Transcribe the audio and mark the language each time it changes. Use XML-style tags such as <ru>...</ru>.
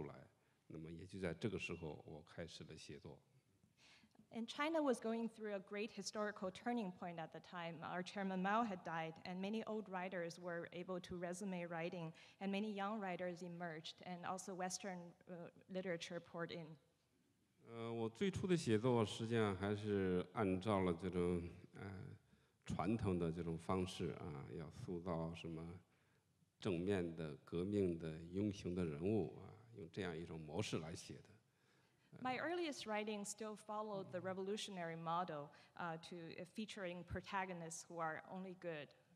<zh>这个时候也是中国社会发生了一个巨大的一个转折，就是我们的前领袖毛泽东去世了，中国进入一个新的历史时期，过去很多没有不允许出版的刊物又得到了出版，很多老作家又开始了写作，很多年轻的作家也冒了出来，那么也就在这个时候我开始了写作。</zh> <en>And China was going through a great historical turning point at the time. Our chairman Mao had died, and many old writers were able to resume writing, and many young writers emerged, and also Western literature poured in.</en> <zh>我最初的写作实际上还是按照了这种传统的这种方式，要塑造什么正面的、革命的、英雄的人物，用这样一种模式来写的。</zh> <en>My earliest writing still followed the revolutionary model to featuring protagonists who are only good.</en>